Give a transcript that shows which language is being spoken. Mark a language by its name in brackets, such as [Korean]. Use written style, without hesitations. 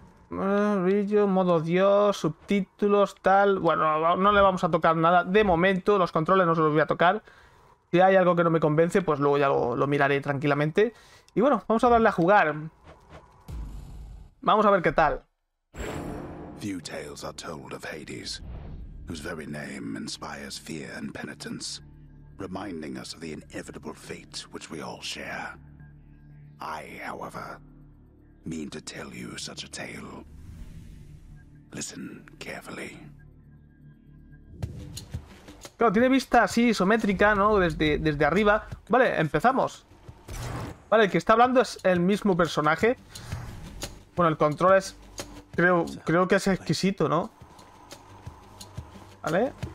[Spanish] Brillo, modo Dios, subtítulos, tal. Bueno, no le vamos a tocar nada de momento, los controles no se los voy a tocar. Si hay algo que no me convence, pues luego ya lo miraré tranquilamente. Y bueno, vamos a darle a jugar. Vamos a ver qué tal. [English] Few tales are told of Hades, whose very name inspires fear and penitence, reminding us of the inevitable fate which we all share. I, however, mean to tell you such a tale. Listen carefully. [Spanish] Claro, tiene vista así isométrica, ¿no? Desde arriba. Vale, empezamos. Vale, el que está hablando es el mismo personaje. Bueno, el control es... Creo que es exquisito, ¿no? Vale.